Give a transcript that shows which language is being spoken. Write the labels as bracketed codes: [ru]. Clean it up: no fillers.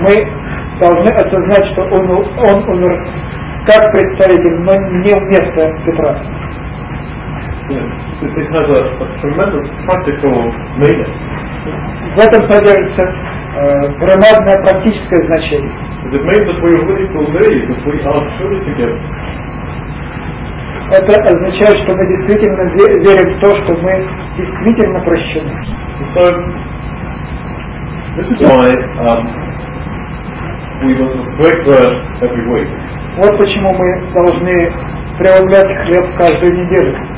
[ru] Мы должны осознать, что он умер как представитель, но не вместо Петра. [en] This has a tremendous practical meaning. [ru] В этом содержится громадное практическое значение. [en] It means that we really believe that we are truly forgiven. [ru] Это означает, что мы действительно верим в то, что мы действительно прощены. [en] So, this is why we must break bread every week. [ru] Вот почему мы должны преломлять хлеб каждую неделю.